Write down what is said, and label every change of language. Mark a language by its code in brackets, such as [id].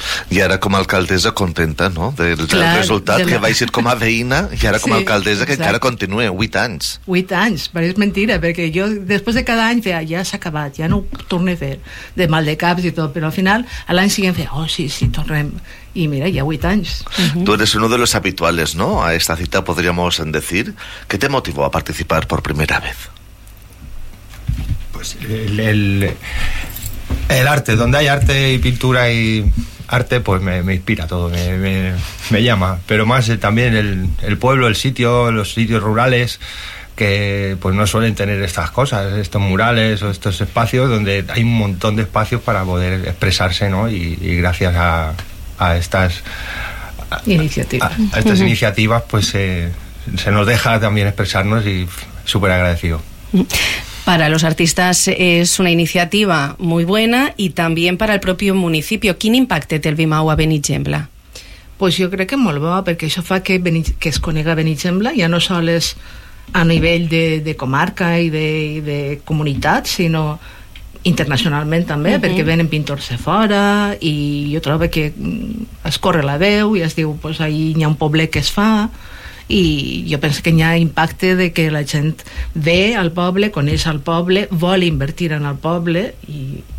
[ca] I ara com a alcaldessa contenta, no? Del resultat, que vaig ser com a veïna i ara com a alcaldessa, que encara continua, 8 anys. 8 anys, però és mentira, perquè jo després de cada any feia, ja s'ha acabat, ja no ho torno a fer, de mal de caps i tot, però al final l'any siguem feia, oh sí, tornem. [es] Y mira, ya 8 años. Tú eres uno de los habituales, ¿no? A esta cita, podríamos decir. ¿Qué te motivó a participar por primera vez? Pues el arte. Donde hay arte y pintura y arte, pues me inspira todo, me llama. Pero más también el pueblo, el sitio, los sitios rurales, que pues no suelen tener estas cosas, estos murales o estos espacios, donde hay un montón de espacios para poder expresarse, ¿no? Y gracias a estas iniciativas, pues se nos deja también expresarnos, y súper agradecido. Para los artistas es una iniciativa muy buena y también para el propio municipio. [ca] ¿Quin impacte té el BIMAU a Benigembla? Pues yo creo que molt bo, perquè això fa que es conega Benigembla, ja no sols a nivell de comarca i de comunitat, sinó internacionalment també, perquè venen pintors de fora, i jo trobo que es corre la veu i es diu, pues ahí hi ha un poble que es fa, i jo penso que hi ha impacte de que la gent ve al poble, coneix el poble, vol invertir en el poble, i